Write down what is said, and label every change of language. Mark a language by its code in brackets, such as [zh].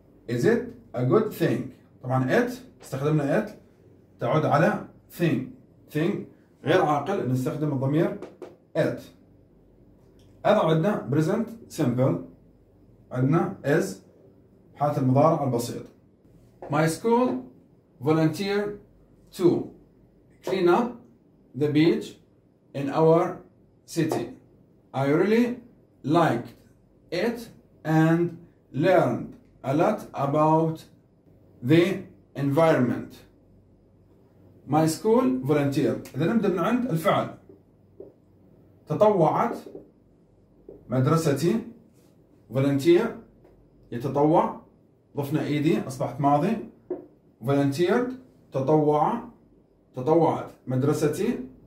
[en] Is it a good thing؟ [ar] طبعا it، استخدمنا it تعود على thing غير عاقل ان نستخدم الضمير at. هذا عندنا present simple، عندنا is حالة المضارع البسيط. [en] My school volunteer to clean up the beach in our city. I really liked it and learned a lot about the environment. My school volunteer، [ar] إذا نبدأ من عند الفعل، تطوعت مدرستي. volunteer يتطوع، ضفنا ايدي أصبحت ماضي. volunteered تطوعت مدرستي.